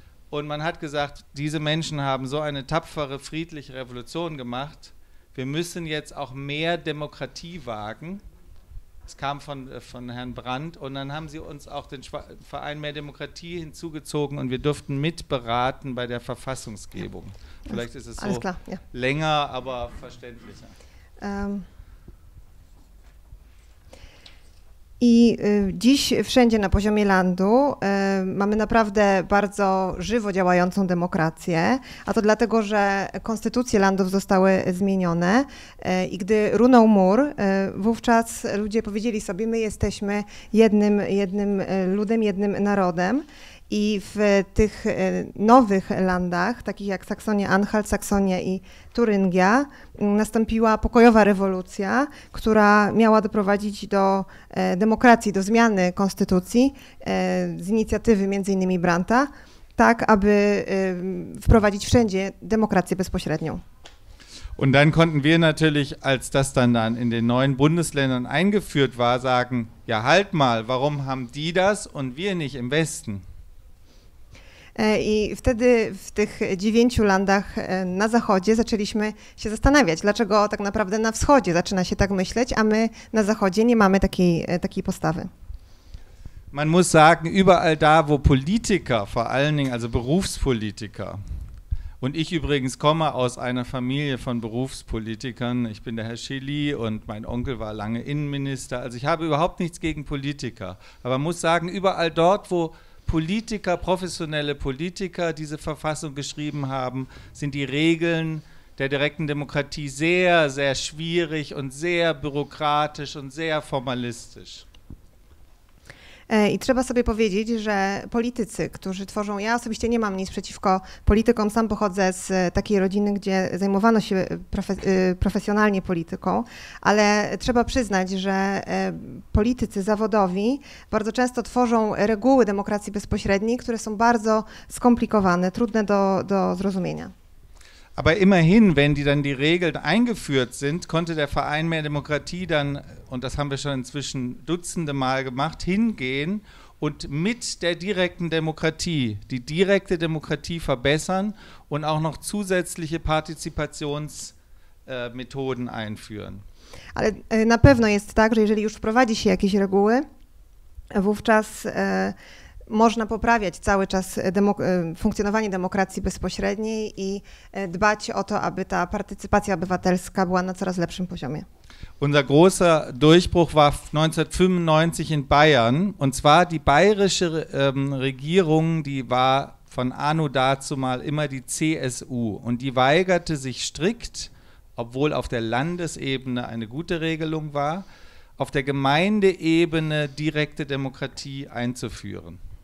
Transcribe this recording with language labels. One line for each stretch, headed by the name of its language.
German: Und man hat gesagt, diese Menschen haben so eine tapfere, friedliche Revolution gemacht, wir müssen jetzt auch mehr Demokratie wagen. Es kam von Herrn Brandt und dann haben sie uns auch den Verein Mehr Demokratie hinzugezogen und wir durften mitberaten bei der Verfassungsgebung. Ja. Vielleicht ist es so ja. Länger, aber verständlicher.
Polish: I dziś wszędzie na poziomie landu mamy naprawdę bardzo żywo działającą demokrację, a to dlatego, że konstytucje landów zostały zmienione i gdy runął mur, wówczas ludzie powiedzieli sobie, my jesteśmy jednym ludem, jednym narodem I w tych nowych landach, takich jak Saksonia, Anhalt, Saksonia i Turyngia, nastąpiła pokojowa rewolucja, która miała doprowadzić do demokracji, do zmiany konstytucji z inicjatywy między innymi Brandta, tak aby wprowadzić wszędzie demokrację bezpośrednią.
German: Und dann konnten wir natürlich, als das dann in den neuen Bundesländern eingeführt war, sagen, ja halt mal, warum haben die das und wir nicht im Westen?
Polish: I wtedy w tych 9 landach na zachodzie zaczęliśmy się zastanawiać, dlaczego tak naprawdę na wschodzie zaczyna się tak myśleć, a my na zachodzie nie mamy takiej postawy.
German: Man muss sagen, überall da, wo Politiker, vor allen Dingen also Berufspolitiker, und ich übrigens komme aus einer Familie von Berufspolitikern, ich bin der Herr Schilly und mein Onkel war lange Innenminister, also ich habe überhaupt nichts gegen Politiker, aber man muss sagen, überall dort, wo Politiker, professionelle Politiker diese Verfassung geschrieben haben, sind die Regeln der direkten Demokratie sehr, sehr schwierig und sehr bürokratisch und sehr formalistisch.
Polish: I trzeba sobie powiedzieć, że politycy, którzy tworzą, ja osobiście nie mam nic przeciwko politykom, sam pochodzę z takiej rodziny, gdzie zajmowano się profesjonalnie polityką, ale trzeba przyznać, że politycy zawodowi bardzo często tworzą reguły demokracji bezpośredniej, które są bardzo skomplikowane, trudne do zrozumienia.
German: Aber immerhin, wenn die dann die Regeln eingeführt sind, konnte der Verein Mehr Demokratie dann, und das haben wir schon inzwischen dutzende Mal gemacht, hingehen und mit der direkten Demokratie, die direkte Demokratie verbessern und auch noch zusätzliche Partizipationsmethoden einführen.
Polish: Ale na pewno jest tak, że jeżeli już wprowadzi się jakieś reguły, wówczas można poprawiać cały czas funkcjonowanie demokracji bezpośredniej i dbać o to, aby ta partycypacja obywatelska była na coraz lepszym poziomie.
German: Unser großer Durchbruch war 1995 in Bayern, und zwar die bayerische Regierung, die war von Anno dazumal immer die CSU, und die weigerte sich strikt, obwohl auf der Landesebene eine gute Regelung war, auf der Gemeindeebene direkte Demokratie einzuführen.